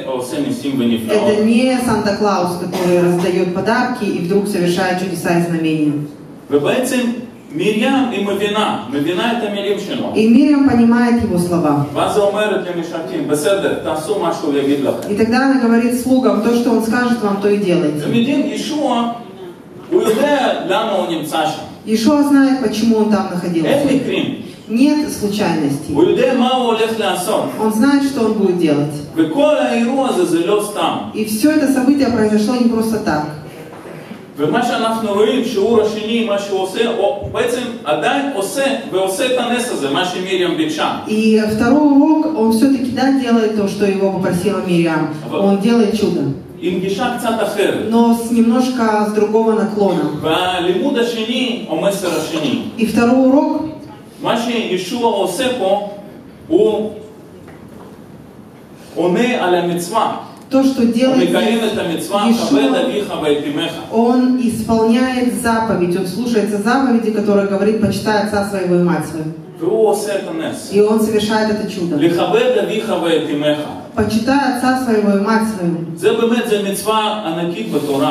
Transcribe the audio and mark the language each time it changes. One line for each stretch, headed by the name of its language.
Russian: Это не Санта-Клаус, который раздает подарки и вдруг совершает чудеса и знамения.
Hebrew: ובעצם מרים היא מבינה, מבינה את המילים שלו.
Russian: И Мирьям понимает его слова.
Hebrew: ואז היא אומרת למשרתים: בסדר, תעשו מה שהוא יגיד לכם.
Russian: И тогда она говорит слугам: то, что он скажет вам, то и делайте.
Hebrew: ומדין, Иешуа, הוא יודע למה הוא נמצא שם.
Russian: Иешуа знает, почему он там находился.
Hebrew: אין מקרים.
Russian: Нет случайностей.
Hebrew: הוא יודע מה הוא הולך לעשות.
Russian: Он знает, что он будет делать.
Hebrew: וכל האירוע הזה זה לא סתם.
Russian: И все это событие произошло не просто так.
Hebrew: ומה שאנחנו רואים שהוא השני, מה שהוא עושה, הוא בעצם עדיין עושה ועושה את הנס הזה, מה שמרים ביקשה.
Russian: И второй урок, он все-таки да делает то, что его попросила Мириам. Он делает чудо.
Hebrew: עם גישה קצת אחרת.
Russian: Но с немножко с другого наклона.
Hebrew: והלימוד השני, או מסר השני.
Russian: И второй урок.
Hebrew: מה שישוע עושה פה, הוא עונה על המצווה.
Russian: То, что делает Иешуа, он исполняет заповедь, он слушается заповеди, которая говорит, почитай отца своего и мать свою. И он совершает это чудо. Почитай отца своего и мать свою.